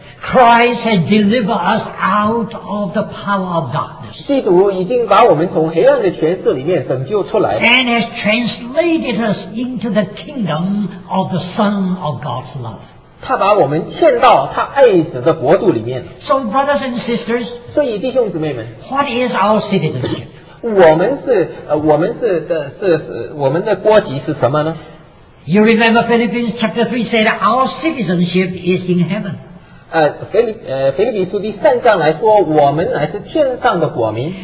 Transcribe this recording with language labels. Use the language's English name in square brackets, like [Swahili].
[English] Christ has delivered us out of the power of darkness. [Chinese] 基督已经把我们从黑暗的权势里面拯救出来了。 [English] And has translated us into the kingdom of the Son of God's love. [Chinese] 他把我们劝到他爱子的国度里面。 [English] So brothers and sisters, [Chinese] 所以弟兄姊妹们, [English] what is our citizenship? [Chinese] 我们的国籍是什么呢? [English] You remember Philippians chapter 3 said our citizenship is in heaven. [Chinese] 腓立比书第三章来说, 我们乃是天上的国民。